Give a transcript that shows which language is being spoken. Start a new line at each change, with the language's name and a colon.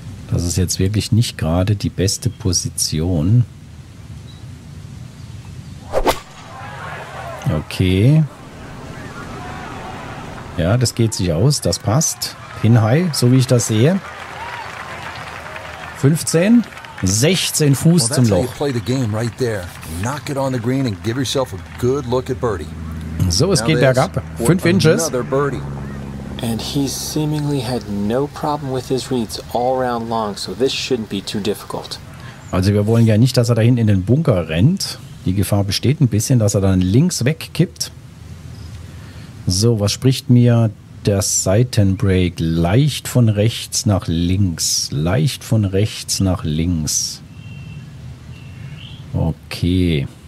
German: Das ist jetzt wirklich nicht gerade die beste Position. Okay. Ja, das geht sich aus. Das passt. Pin High, so wie ich das sehe. 15. 16 Fuß zum Loch.
English: Well, that's how you play the game right there. Knock it on the green and give yourself a good look at birdie.
German: So, es geht bergab. 5 inches.
English: And he seemingly had no problem with his reads all round long, so this shouldn't be too difficult.
German: Also, wir wollen ja nicht, dass er dahin in den Bunker rennt. Die Gefahr besteht ein bisschen, dass er dann links wegkippt. So, was spricht mir der Seitenbreak? Leicht von rechts nach links. Leicht von rechts nach links. Okay.